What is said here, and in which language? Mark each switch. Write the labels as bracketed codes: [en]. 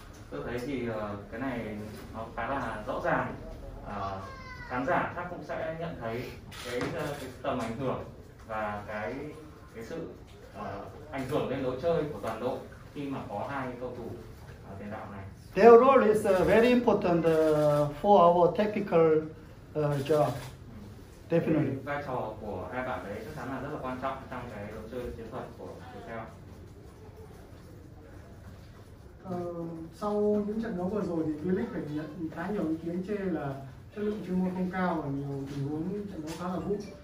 [vi] Tôi thấy thì cái này nó khá là rõ ràng. Khán giả chắc cũng sẽ nhận thấy cái tầm ảnh hưởng và cái sự ảnh hưởng lên lối chơi của toàn đội khi mà có hai cầu thủ tiền đạo này. [en] Their role is very important for our tactical job. Definitely. [vi] Cái vai trò của hai bạn đấy chắc chắn là rất là quan trọng trong cái lối chơi chiến thuật của Viettel. Sau những trận đấu vừa rồi thì Felix phải nhận khá nhiều ý kiến chê là chất lượng chuyên môn không cao và nhiều tình huống trận đấu khá là vũ.